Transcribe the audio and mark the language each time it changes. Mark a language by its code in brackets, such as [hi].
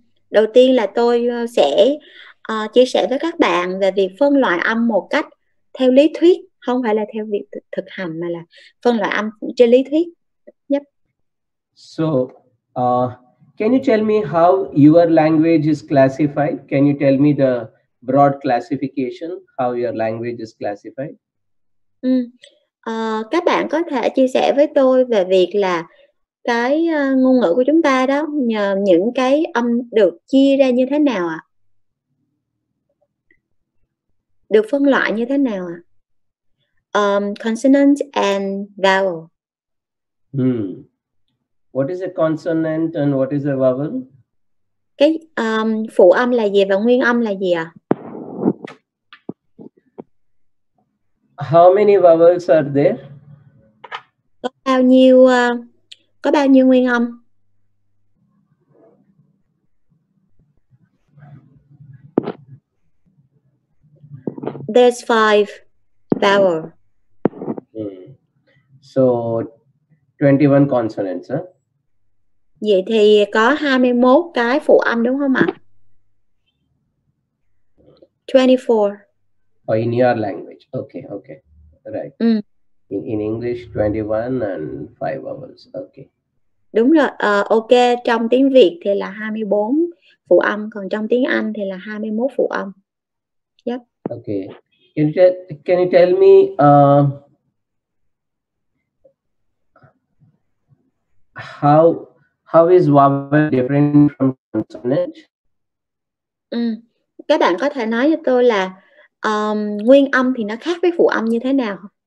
[vi] Đầu tiên là tôi sẽ chia sẻ với các bạn về việc phân loại âm một cách theo lý thuyết, không phải là theo việc thực hành, mà là phân loại âm trên lý thuyết. [en] Yep. So can you tell me how your language is classified? Can you tell me the broad classification, how your language is classified? [vi] Các bạn có thể chia sẻ với tôi về việc là cái ngôn ngữ của chúng ta đó, nhờ những cái âm được chia ra như thế nào ạ? Được phân loại như thế nào ạ? [en] Consonant and vowel. What is a consonant and what is a vowel? [vi] Cái phụ âm là gì và nguyên âm là gì ạ? [en] How many vowels are there? [vi] Có bao nhiêu nguyên âm? [en] There's 5 vowels. So 21 consonants, huh? [vi] Vậy thì có 21 cái phụ âm đúng không ạ? [en] 24. Oh, in your language. Okay, okay. Right. In English, 21 and 5 vowels. Okay. [vi] Đúng rồi. Okay, trong tiếng Việt thì là 24 phụ âm, còn trong tiếng Anh thì là 21 phụ âm. [en] Yep. Okay. Can you tell me how is vowel different from consonant? [vi] Các bạn có thể nói cho tôi là nguyên âm thì nó khác với phụ âm như thế nào?